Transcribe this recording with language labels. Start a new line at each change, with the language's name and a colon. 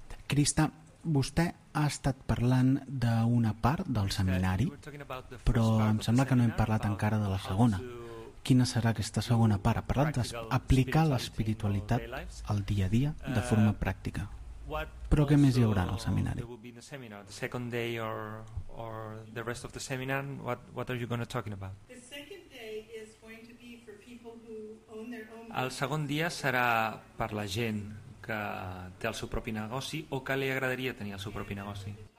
Catalan: Crista, vostè ha estat parlant d'una part del seminari, però em sembla que no hem parlat encara de la segona. Quina serà aquesta segona part? Ha parlat d'aplicar l'espiritualitat al dia a dia de forma pràctica. Però què més hi haurà en el seminari?
English: The second day or the rest of the seminar, what are you going to talk about?
Catalan: El segon dia serà per la gent que té el seu propi negoci o que li agradaria tenir el seu propi negoci.